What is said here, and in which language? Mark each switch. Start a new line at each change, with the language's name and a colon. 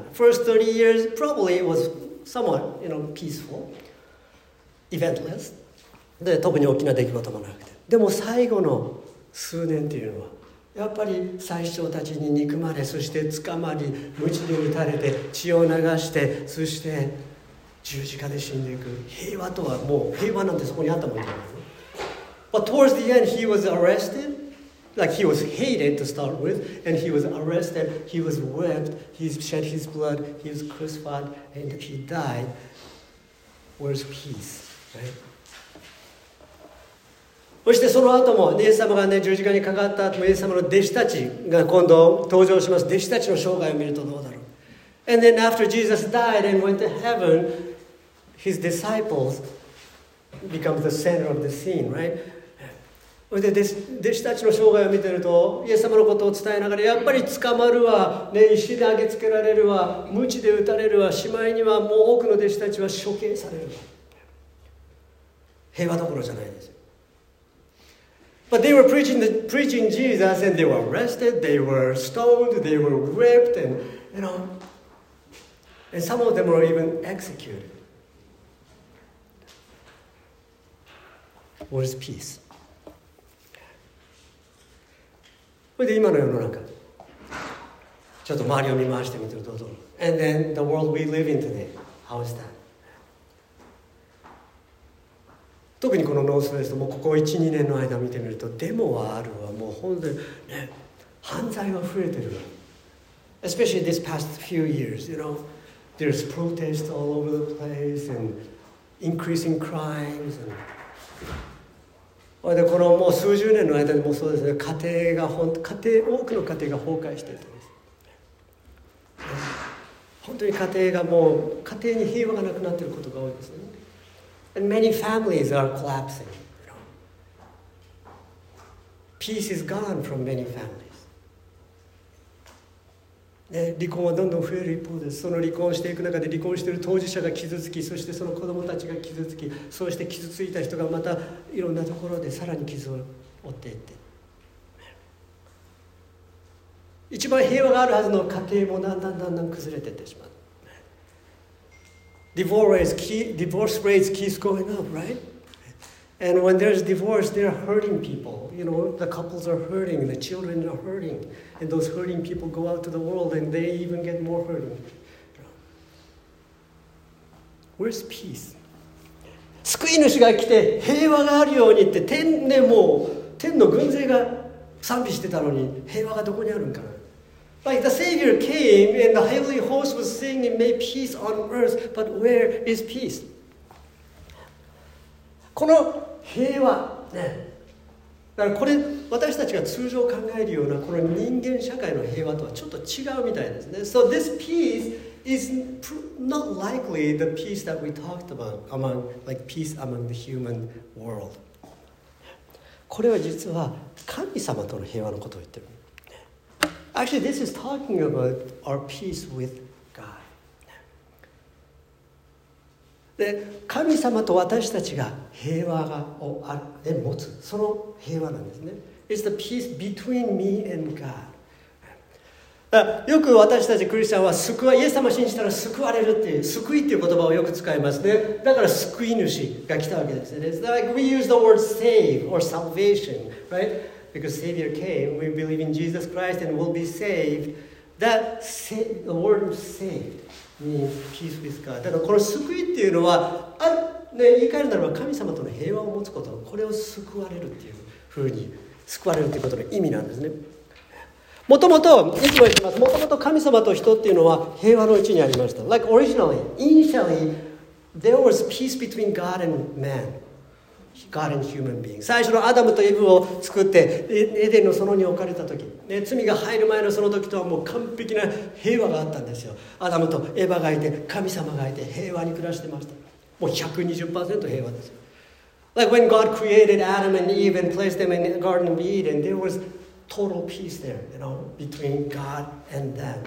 English: First 30 years, probably it was somewhat, you know, peaceful. Eventless.
Japanese: で特に大きな出来事もなくて、でも最後の数年というのはやっぱり宰相たちに憎まれ、そして捕まり、鞭で打たれて、血を流して、そして十字架で死んでいく。平和とはもう、平和なんてそこにあったもんじゃない。
English: But towards the end he was arrested, like he was hated to start with, and he was arrested, he was whipped, he shed his blood, he was crucified, and he died. Where's peace?
Japanese: Right. そしてその後もイエス様が、ね、十字架にかかった後、イエス様の弟子たちが今度登場します。弟子たちの生涯を見るとどうだろう。
English: And then after Jesus died and went to heaven, his disciples become the center of the scene, right?
Japanese: それで弟子たちの生涯を見てると、イエス様のことを伝えながら、やっぱり捕まるわ、ね、石で投げつけられるわ、鞭で打たれるわ、しまいにはもう多くの弟子たちは処刑されるわ。平和どころじゃないです。
English: But they were preaching Jesus, and they were arrested, they were stoned, they were whipped, and you know, and some of them were even executed. Where's peace?
Japanese: それで今の世の中、ちょっと周りを見回してみてどうぞ。
English: And then the world we live in today, how is that?
Japanese: 特にこのノースウェスト、もうここ 1,2 年の間見てみると、デモはあるわ、もう本当に、ね、犯罪は増えてるわ。
English: Especially this past few years, you know, there's protests all over the place and increasing crimes and...
Japanese: でこのもう数十年の間でもそうですね、家庭が本当、家庭、多くの家庭が崩壊してるんです。本当に家庭がもう、家庭に平和がなくなってることが多いですね。
English: And many families are collapsing. You know. Peace is gone from many families.
Japanese: ね、離婚はどんどん増える一方です。その離婚していく中で、離婚している当事者が傷つき、そしてその子供たちが傷つき、そして傷ついた人がまたいろんなところでさらに傷を負っていって。一番平和があるはずの家庭もだんだんだんだん崩れていってしまう。
English: Divorce rates keep going up, right? And when there's divorce, they're hurting people. You know, the couples are hurting, the children are hurting. And those hurting people go out to the world and they even get more hurting. Where's peace?
Japanese: 救い主が来て平和があるようにって、天でもう天の軍勢が賛美してたのに、平和がどこにあるんかな。
English: Like the Savior came and the heavenly host was singing, "May peace on earth," but where is peace?
Japanese: この平和ね、だからこれ私たちが通常考えるようなこの人間社会の平和とはちょっと違うみたいですね。
English: So this peace is not likely the peace that we talked about among, like peace among the human world.
Japanese: これは実は神様との平和のことを言ってる。
English: Actually, this is talking about our peace with God.
Japanese: で、神様と私たちが平和を持つ、その平和なんですね。
English: It's the peace between me and God.
Japanese: よく私たちクリスチャンは救わ、イエス様を信じたら救われるっていう、救いっていう言葉をよく使いますね。だから救い主が来たわけですね。
English: It's like we use the word save or salvation, right? Because Savior came, we believe in Jesus Christ and will be saved. That the word saved means peace with God.
Japanese: だからこの救いっていうのは、ね、言い換えるならば神様との平和を持つこと、これを救われるっていうふうに、救われるっていうことの意味なんですね。もともと、いつも言ってます、もともと神様と人っていうのは平和のうちにありました。
English: Like originally, initially, there was peace between God and man. God and human being.
Japanese: 最初のアダムとイブを作ってエデンの園に置かれた時、ね、罪が入る前のその時とはもう完璧な平和があったんですよ。アダムとエヴァがいて、神様がいて、平和に暮らしてました。もう 120% 平和ですよ。
English: Like when God created Adam and Eve and placed them in the Garden of Eden, there was total peace there, you know, between God and them.